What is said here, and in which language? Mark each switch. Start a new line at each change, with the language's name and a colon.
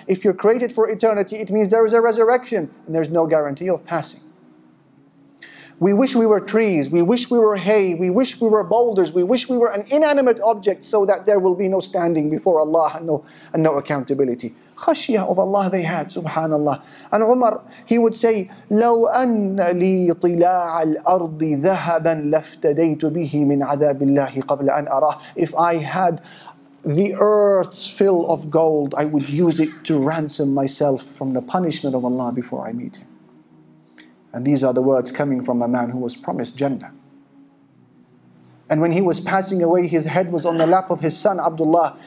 English: If you're created for eternity, it means there is a resurrection and there's no guarantee of passing. We wish we were trees. We wish we were hay. We wish we were boulders. We wish we were an inanimate object so that there will be no standing before Allah and no accountability. Khashiyah of Allah they had, subhanallah.
Arabic: And Umar, he would say, لَوْ أَنَّ لِي طِلَاعَ الْأَرْضِ ذَهَبًا لَفْتَدَيْتُ بِهِ مِنْ عَذَابِ اللَّهِ قَبْلَ أَنْ أَرَاهِ.
English: If I had the earth's fill of gold, I would use it to ransom myself from the punishment of Allah before I meet him. And these are the words coming from a man who was promised Jannah. And when he was passing away, his head was on the lap of his son, Abdullah.